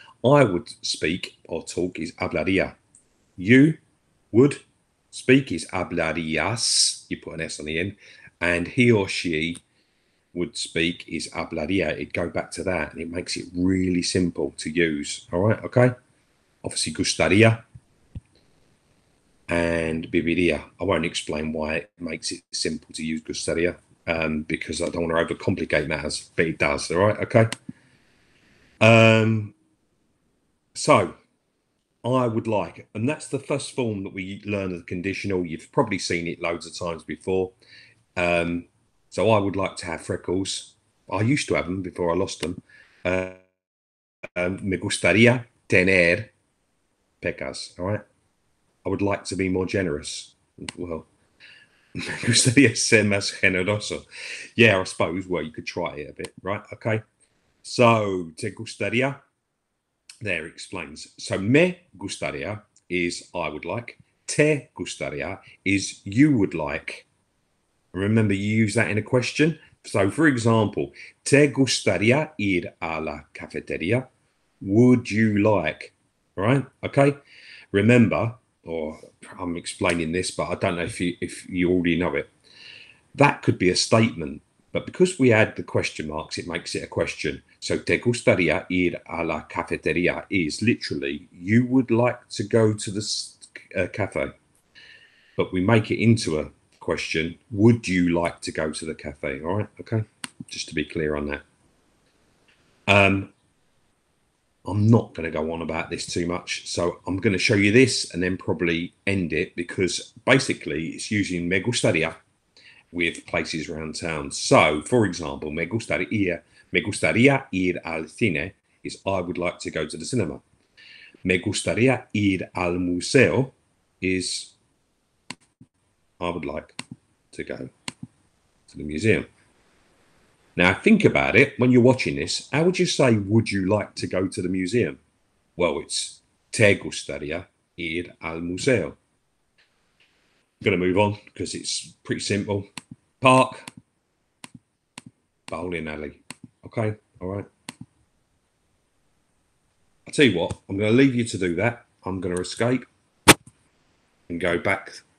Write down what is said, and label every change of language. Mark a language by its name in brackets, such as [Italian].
[English] I would speak or talk is hablaría. You would speak is hablarías. You put an S on the end. And he or she would speak is hablaría. It'd go back to that. And it makes it really simple to use. All right. Okay. Obviously, gustaría and viviría. I won't explain why it makes it simple to use gustaría because I don't want to overcomplicate matters, but it does. All right. Okay. So, I would like, and that's the first form that we learn of the conditional. You've probably seen it loads of times before. So, I would like to have freckles. I used to have them before I lost them. [Spanish] Me gustaría tener pecas. [English] All right. I would like to be more generous. Well, [Spanish] me gustaría ser más generoso. [English] Yeah, I suppose. Well, you could try it a bit, right? Okay. So, te gustaría. There explains. So [Spanish] me gustaría [English] is I would like. [Spanish] Te gustaría [English] is you would like. Remember, you use that in a question. So, for example, [Spanish] te gustaría ir a la cafetería? [English] Would you like? All right. Okay. Remember, or I'm explaining this, but I don't know if you already know it. That could be a statement, but because we add the question marks, it makes it a question. So, [Spanish] te gustaría ir a la cafetería [English] is literally, you would like to go to the cafe. But we make it into a question, would you like to go to the cafe? All right, okay. Just to be clear on that. I'm not going to go on about this too much. So, I'm going to show you this and then probably end it because basically it's using me gustaría with places around town. So, for example, [Spanish] me gustaría ir al cine [English] is I would like to go to the cinema. [Spanish] Me gustaría ir al museo [English] is I would like to go to the museum. Now, think about it when you're watching this. How would you say, would you like to go to the museum? Well, it's [Spanish] te gustaría ir al museo. [English] I'm going to move on because it's pretty simple. Park, bowling alley. Okay, all right. I tell you what, I'm going to leave you to do that. I'm going to escape. and go back.